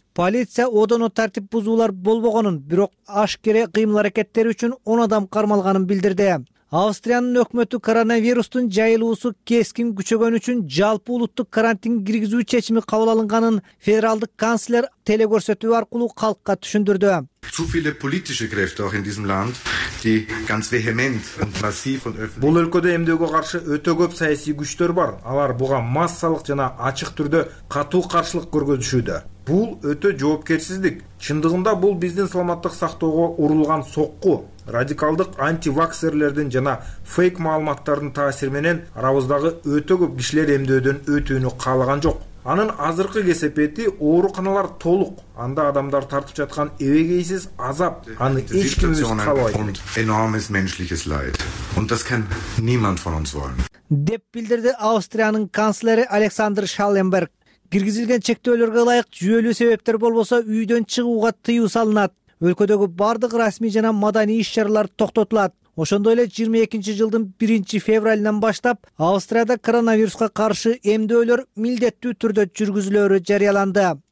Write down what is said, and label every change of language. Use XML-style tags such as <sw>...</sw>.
<ky>Полиция одоно тартип бузуулар болбогонун, бирок ашкере кыймыл аракеттери үчүн 10 адам кармалганын билдирди. Австриянын өкмөтү коронавирустун жайылуусу кескин күчөгөн үчүн жалпы улуттук карантин киргизүү чечими кабыл алынганын федералдык канцлер телекөрсөтүү аркылуу калкка түшүндүрдү.</ky> <de>Zu viele politische Kräfte auch in diesem Land, die ganz vehement und massiv und öffentlich.</de> <ky>Бул өлкөдө эмдөөгө каршы өтө көп саясий күчтөр бар. Алар буга массалык жана ачык түрдө катуу каршылык көрсөтүшүдө. Бул өтө жоопкерсиздик. Чындыгында бул биздин саламаттык сактоого урулган сокку. Радикалдык антиваксерлердин жана фейк маалыматтардын таасири менен арабыздагы өтө көп кишилер эмдөөдөн өтүүнү каалаган жок. Анын азыркы кесепети ооруканалар толук. Анда адамдар тартып жаткан эбегейсиз азап, аны эч ким каалабайт.</ky> <de>Enormes menschliches Leid und das kann niemand von uns wollen.</de> <ky>Деп билдирди Австриянын канцлери Александр Шалленберг. Киргизилген чектөөлөргө ылайык жүйөлүү себептер болбосо үйдөн чыгууга тыюу салынат. Өлкөдөгү бардык расмий жана маданий иш-чаралар токтотулат. Ошондой эле 22 жылдын 1 февралынан баштап Австрияда коронавируска каршы эмдөөлөр милдеттүү түрдө жүргүзүлөрү жарыяланды.</ky>